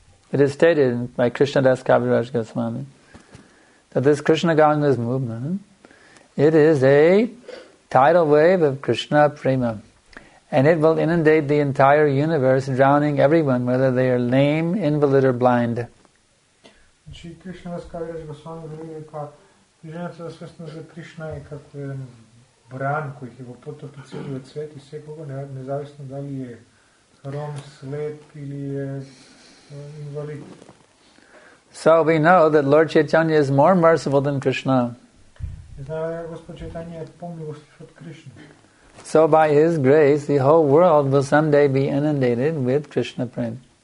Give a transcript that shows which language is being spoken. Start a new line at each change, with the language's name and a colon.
English: It is stated by Krishna Das Kaviraj Goswami that this Krishna Ganga's movement, it is a tidal wave of Krishna Prema, and it will inundate the entire universe, drowning everyone, whether they are lame, invalid, or blind.
Macedonian: Krishna Das Kaviraj Goswami говори дека движењето за свесност за Кришна е како еден бран кој ќе го потопи целиот свет и секого, независно дали е ром, слеп или е инвалид.
English: So we know that Lord Chaitanya is more merciful than Krishna.
Macedonian: Господ Чајтанја е помилостив од Кришна.
English: So by his grace, the whole world will someday be inundated with Krishna prema.